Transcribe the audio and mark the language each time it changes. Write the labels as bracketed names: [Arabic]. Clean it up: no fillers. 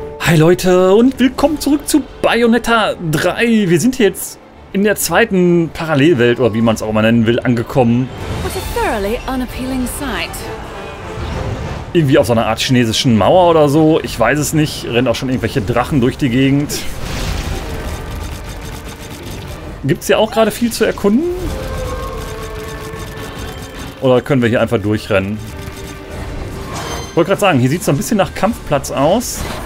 [German] Hi Leute und willkommen zurück zu Bayonetta 3. Wir sind hier jetzt in der zweiten Parallelwelt, oder wie man es auch mal nennen will, angekommen. [English] What a thoroughly unappealing sight. [German] Irgendwie auf so einer Art chinesischen Mauer oder so. Ich weiß es nicht. Rennen auch schon irgendwelche Drachen durch die Gegend. Gibt es hier auch gerade viel zu erkunden? Oder können wir hier einfach durchrennen? Ich wollte gerade sagen, hier sieht es so ein bisschen nach Kampfplatz aus.